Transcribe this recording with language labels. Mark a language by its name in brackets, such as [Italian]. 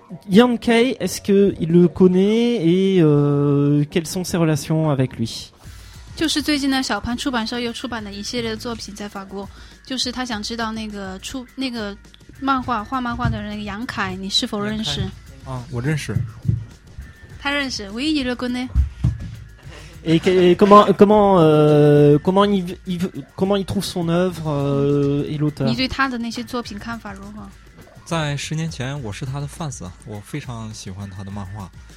[French] Yan Kei, est-ce qu'il le connaît et quelles sont ses relations avec lui ? [Chinese] 就是最近的小潘出版社又出版了一系列的作品在法国，就是他想知道那个漫画画漫画的人杨凯你是否认识啊？我认识，他认识唯一的姑娘。 [French] Et comment il trouve son œuvre et l'auteur？ [Chinese] 你对他的那些作品看法如何？在十年前，我是他的 fans， 我非常喜欢他的漫画。